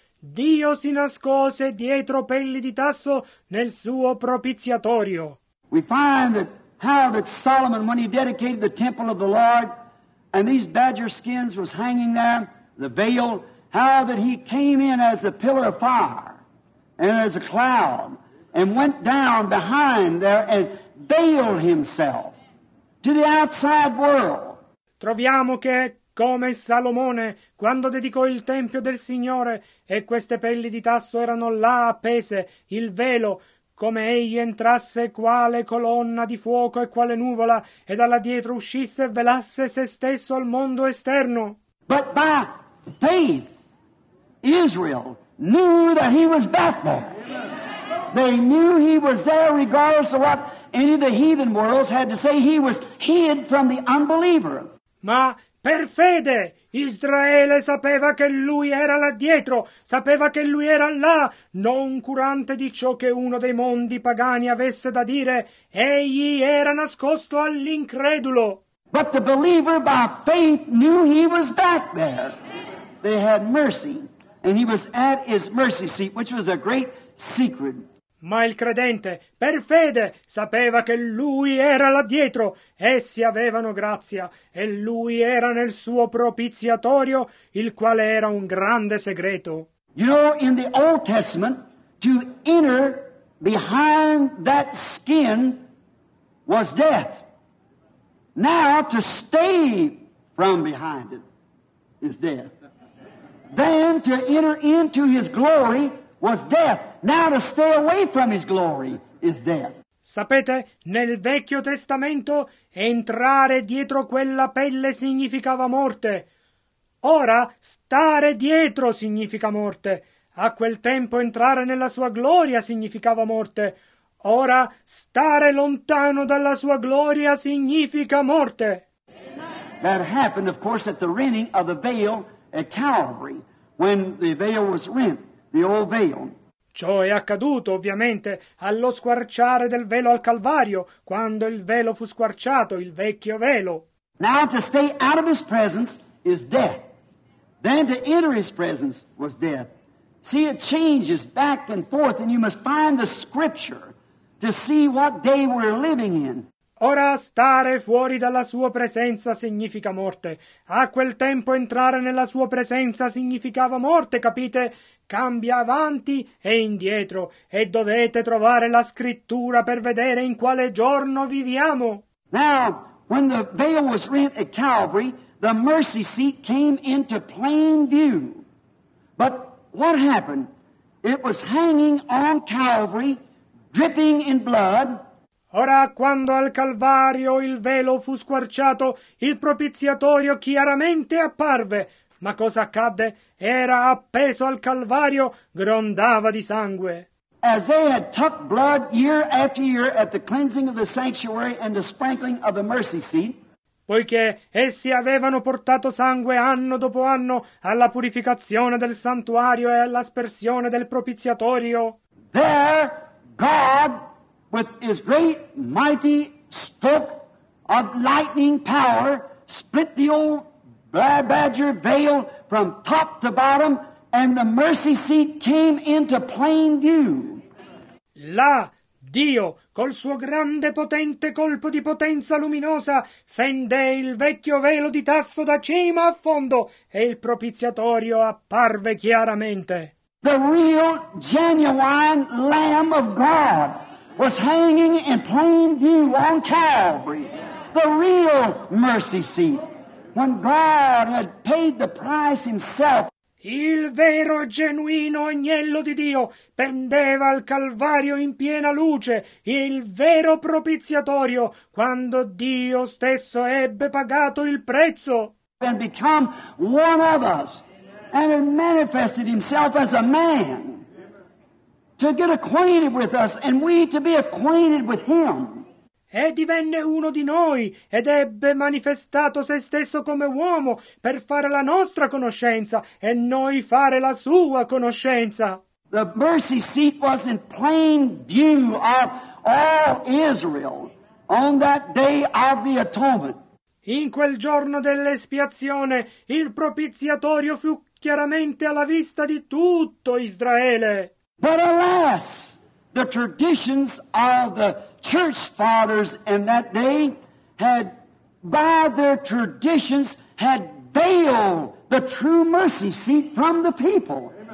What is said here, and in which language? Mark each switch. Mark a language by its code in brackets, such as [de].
[it] Dio si nascose dietro pelli di tasso nel suo propiziatorio. [en] We find that how that Solomon, when he dedicated the temple of the Lord, and these badger skins was hanging there, the veil, how that he came in as a pillar of fire and as a cloud and went down behind there and veiled himself to the outside world. [it] Troviamo che come Salomone, quando dedicò il tempio del Signore e queste pelli di tasso erano là appese, il velo, come egli entrasse quale colonna di fuoco e quale nuvola e dalla dietro uscisse e velasse se stesso al mondo esterno. [en] But by faith, Israel knew that he was back there. They knew he was there regardless of what any of the heathen worlds had to say. He was hid from the unbeliever. [it] Ma per fede Israele sapeva che lui era là dietro, sapeva che lui era là, non curante di ciò che uno dei mondi pagani avesse da dire, egli era nascosto all'incredulo. [en] But the believer by faith knew he was back there. They had mercy. And he was at his mercy seat, which was a great secret. [it] Ma il credente, per fede, sapeva che lui era là dietro. Essi avevano grazia, e lui era nel suo propiziatorio, il quale era un grande segreto. [en] You know, in the Old Testament, to enter behind that skin was death. Now, to stay from behind it is death. Then to enter into his glory was death. Now to stay away from his glory is death. [it] Sapete, nel Vecchio Testamento entrare dietro quella pelle significava morte. Ora stare dietro significa morte. A quel tempo entrare nella sua gloria significava morte. Ora stare lontano dalla sua gloria significa morte. Amen. [en] That happened, of course, at the rending of the veil at Calvary. When the veil was rent, the old veil. [it] Ciò è accaduto, ovviamente, allo squarciare del velo al Calvario, quando il velo fu squarciato, il vecchio velo. [en] Now to stay out of his presence is death. Then to enter his presence was death. See, it changes back and forth, and you must find the scripture to see what day we're living in. [it] Ora stare fuori dalla sua presenza significa morte. A quel tempo entrare nella sua presenza significava morte, capite? Cambia avanti e indietro, e dovete trovare la scrittura per vedere in quale giorno viviamo. [en] Now, when the veil was rent at Calvary, the mercy seat came into plain view. But what happened? It was hanging on Calvary, dripping in blood. [it] Ora, quando al Calvario il velo fu squarciato, il propiziatorio chiaramente apparve. Ma cosa accadde? Era appeso al Calvario, grondava di sangue. [en] As they had tucked blood year after year at the cleansing of the sanctuary and the sprinkling of the mercy seat, [it] poiché essi avevano portato sangue anno dopo anno alla purificazione del santuario e all'aspersione del propiziatorio, [en] there God, with his great mighty stroke of lightning power, split the old badger veil from top to bottom, and the mercy seat came into plain view. [it] Là, Dio, col suo grande potente colpo di potenza luminosa, fende il vecchio velo di tasso da cima a fondo, e il propiziatorio apparve chiaramente. [en] The real, genuine Lamb of God was hanging in plain view on Calvary. The real mercy seat, when God had paid the price himself. [it] Il vero e genuino agnello di Dio pendeva al Calvario in piena luce, il vero propiziatorio, quando Dio stesso ebbe pagato il prezzo. [en] And become one of us, and had manifested himself as a man, to get acquainted with us, and we to be acquainted with him. [it] E divenne uno di noi ed ebbe manifestato se stesso come uomo per fare la nostra conoscenza e noi fare la sua conoscenza. [en] The mercy seat was in plain view of all Israel on that day of the atonement. [it] In quel giorno dell'espiazione il propiziatorio fu chiaramente alla vista di tutto Israele. [en] But alas, the traditions of the church fathers in that day had, by their traditions, had veiled the true mercy seat from the people.